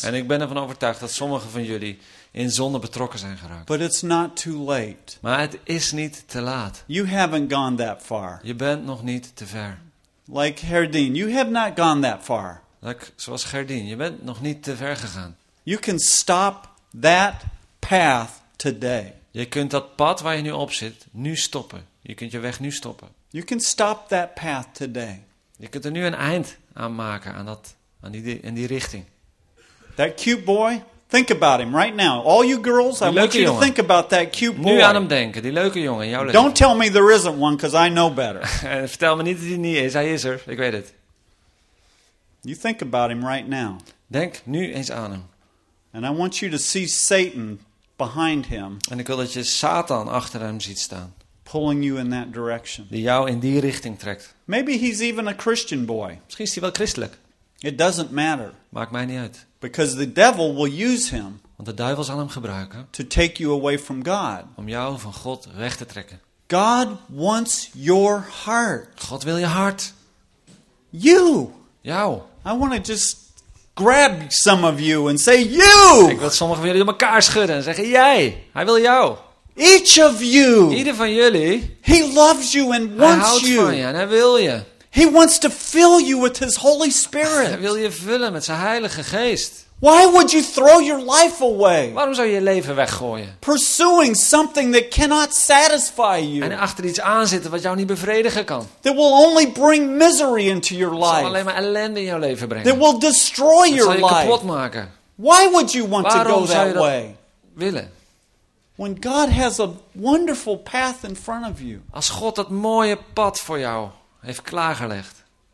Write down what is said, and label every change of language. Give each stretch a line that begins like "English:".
Dutch: En ik ben ervan overtuigd dat sommige van jullie in zonde betrokken zijn geraakt.
English: But it's not too late.
Dutch: Maar het is niet te laat.
English: You haven't gone that far.
Dutch: Je bent nog niet te ver.
English: Like Gerdien, you have not gone that far.
Dutch: Zoals Gerdien, je bent nog niet te ver gegaan.
English: You can stop that path today.
Dutch: Je kunt dat pad waar je nu op zit, nu stoppen. Je kunt je weg nu stoppen.
English: You can stop that path today.
Dutch: Je kunt er nu een eind aan maken aan die richting.
English: That cute boy. Think about him right now. All you girls, I want you to think about that cute boy.
Dutch: Nu aan hem denken, die leuke jongen, jouw leven.
English: Don't tell me there isn't one, because I know better.
Dutch: Vertel me niet dat hij niet is, hij is er, ik weet het.
English: You think about him right now.
Dutch: Denk nu eens aan hem.
English: And I want you to see Satan behind him.
Dutch: En ik wil dat je Satan achter hem ziet staan.
English: Pulling you in that direction.
Dutch: Die jou in die richting trekt.
English: Maybe he's even a Christian boy.
Dutch: Misschien is hij wel christelijk.
English: It doesn't matter.
Dutch: Maakt mij niet uit.
English: Because the devil will use him.
Dutch: Want de duivel zal hem gebruiken.
English: To take you away from God.
Dutch: Om jou van God weg te trekken.
English: God wants your heart.
Dutch: God wil je hart.
English: You.
Dutch: Jou.
English: I want to just grab some of you and say you.
Dutch: Ik wil sommigen van jullie door elkaar schudden en zeggen jij. Hij wil jou.
English: Each of you.
Dutch: Ieder van jullie.
English: He loves you and wants you.
Dutch: Hij houdt van je en hij wil je.
English: He wants to fill you with his Holy Spirit.
Dutch: Hij wil je vullen met zijn Heilige Geest.
English: Why would you throw your life away?
Dutch: Waarom zou je leven weggooien?
English: Pursuing something that cannot satisfy you.
Dutch: En achter iets aanzitten wat jou niet bevredigen kan.
English: That will only bring misery into your life.
Dutch: Zal alleen maar ellende in jouw leven brengen.
English: That will destroy your life.
Dutch: Dat zal je kapot maken.
English: Why would you want to go that way?
Dutch: Willen.
English: When God has a wonderful path in front of you.
Dutch: Als God dat mooie pad voor jou heeft klaargelegd.